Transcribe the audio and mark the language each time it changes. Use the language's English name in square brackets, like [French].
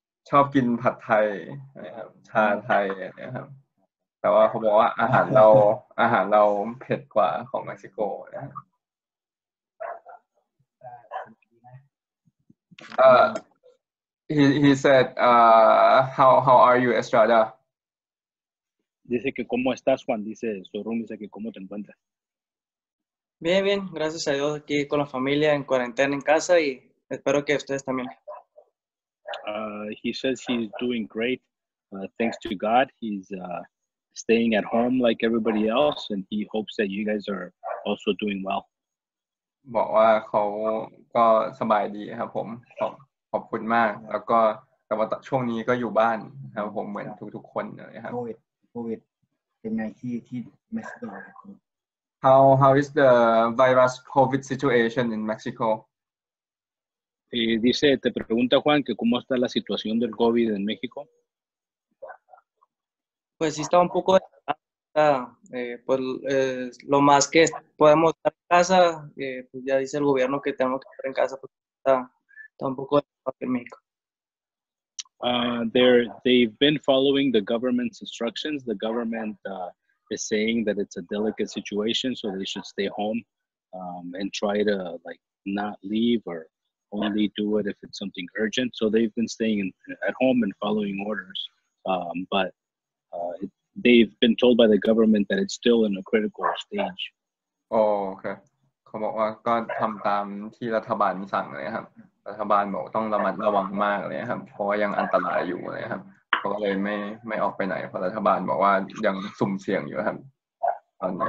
[Thai] ชอบกินผัดไทยนะครับชาไทยนะครับแต่ว่าเขาบอกว่าอาหารเราเผ็ดกว่าของเม็กซิโกนะ [English] he said how are you Estrada [Spanish] dice que cómo estás Juan dice Sorum dice que cómo te encuentras bien bien gracias a Dios aquí con la familia en cuarentena en casa y espero que ustedes también [English] he says he's doing great thanks to God he's staying at home like everybody else and he hopes that you guys are also doing well [Thai] บอกว่าเขาก็สบายดีครับผมขอบคุณมากแล้วก็แต่ว่าช่วงนี้ก็อยู่บ้านครับผมเหมือนทุกคนนะครับ โควิดเป็นไงที่เม็กซิโก [English] How is the virus COVID situation in Mexico [Spanish] dice te pregunta Juan que cómo está la situación del COVID en México pues está un poco pues lo más que podemos estar en casa pues ya dice el gobierno que tenemos que estar en casa porque está un poco en México [English] they've been following the government's instructions the government is saying that it's a delicate situation so they should stay home and try to like not leave orOnly do it if it's something urgent. So they've been staying at home and following orders. But they've been told by the government that it's still in a critical stage. Oh, okay. [Thai] เขาบอกว่าก็ทำตามที่รัฐบาลสั่งเลยครับรัฐบาลบอกต้องระมัดระวังมากเลยครับเพราะยังอันตรายอยู่เลยครับเขาก็เลยไม่ออกไปไหนเพราะรัฐบาลบอกว่ายังสุ่มเสี่ยงอยู่ครับตอนนี